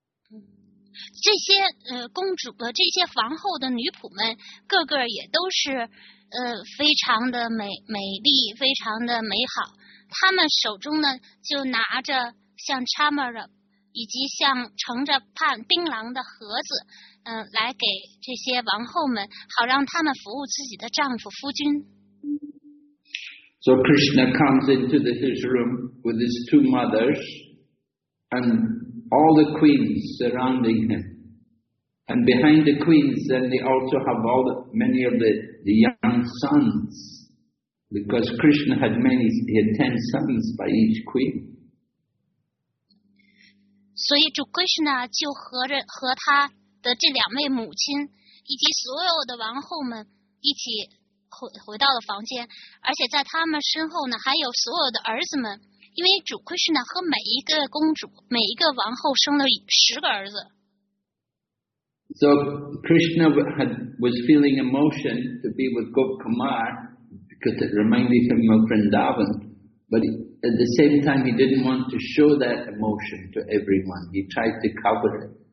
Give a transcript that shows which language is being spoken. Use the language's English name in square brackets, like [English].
[Chinese] 这些公主的这些皇后的女仆们个个也都是非常的美丽非常的美好，她们手中呢就拿着像 chamara 以及像盛着盘槟榔的盒子来给这些王后们，好让她们服务自己的丈夫夫君。 [English] So Krishna comes into his room with his two mothers andall the queens surrounding him. And behind the queens, then they also have many of the young sons. Because Krishna had many, he had 10 sons by each queen. [Chinese] 所以主 Krishna 就和他的这两位母亲以及所有的王后们一起 回到了房间，而且在他们身后呢还有所有的儿子们，因为主 Krishna 和每一个公主每一个王后生了10儿子。 [English] So Krishna was feeling emotion to be with Gop Kumar because it reminded him of Vrindavan, but at the same time he didn't want to show that emotion to everyone. He tried to cover it.